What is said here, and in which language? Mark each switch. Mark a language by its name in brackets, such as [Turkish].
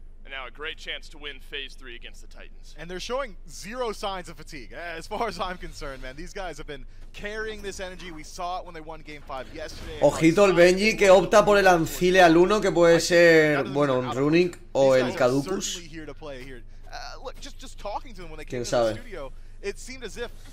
[English] And now a great chance to win phase 3 against the Titans. And they're showing zero signs of fatigue, as far as I'm concerned, man. These guys have been carrying this energy. We saw it when they won game 5 yesterday. [Spanish] Ojito el Benji que opta por el Anfile al 1, que puede ser, bueno, un Runic o el Caducus. [English] Look, just talking to them when they came to the studio, it seemed as if